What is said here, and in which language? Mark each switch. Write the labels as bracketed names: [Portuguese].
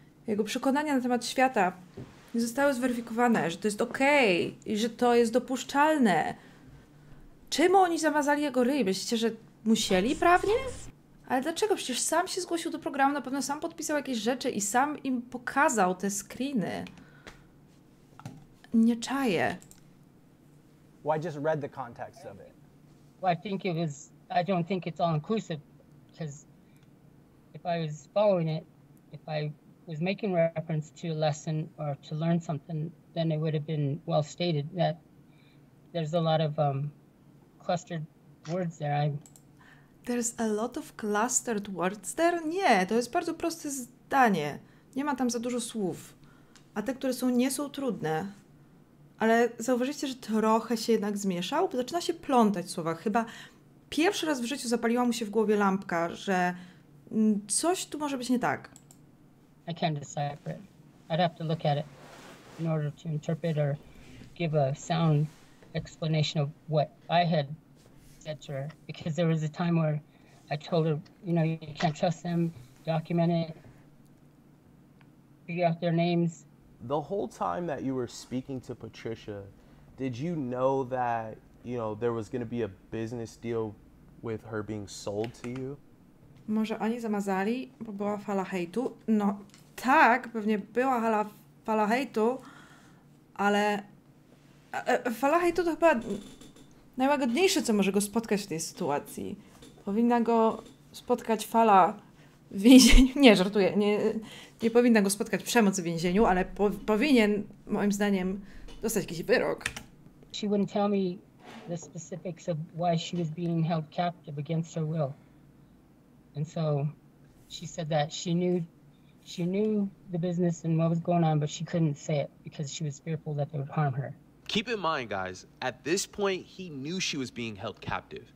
[Polish] Jego przekonania na temat świata nie zostały zweryfikowane, że to jest okej okay i że to jest dopuszczalne. Czemu oni zamazali jego ryj? Myślicie, że musieli prawnie? Ale dlaczego? Przecież sam się zgłosił do programu, na pewno sam podpisał jakieś rzeczy i sam im pokazał te screeny. Nie czaję. [English] Well, I just read the context of it. Well, I think it was, I don't think it's all inclusive, because if I was following it, if I was making reference to a lesson or to learn something, then it would have been well stated that there's a lot of clustered words there. There's a lot of clustered words there? [Polish] Nie, to jest bardzo proste zdanie. Nie ma tam za dużo słów. A te, które są, nie są trudne. Ale zauważyliście, że trochę się jednak zmieszał? Zaczyna się plątać słowa. Chyba pierwszy raz w życiu zapaliła mu się w głowie lampka, że coś tu może być nie tak. [English] I can't decipher it. I'd have to look at it in order to interpret or give a sound explanation of what I had said to her. Because there was a time where I told her, you know, you can't trust them, document it, figure out their names. The whole time that you were speaking to Patricia, did you know that, you know, there was going to be a business deal with her being sold to you? [Polish] Może oni zamazali, bo była fala hejtu. No tak, pewnie była fala hejtu, ale fala hejtu to chyba najłagodniejsze, co może go spotkać w tej sytuacji. Powinna go spotkać fala w więzieniu. Nie, żartuję. Nie powinna go spotkać przemoc w więzieniu, ale powinien, moim zdaniem, dostać jakiś wyrok. [English] She wouldn't tell me the specifics of why she was being held captive against her will. And so she said that she knew the business and what was going on, but she couldn't say it because she was fearful that they would harm her. Keep in mind, guys, at this point, he knew she was being held captive.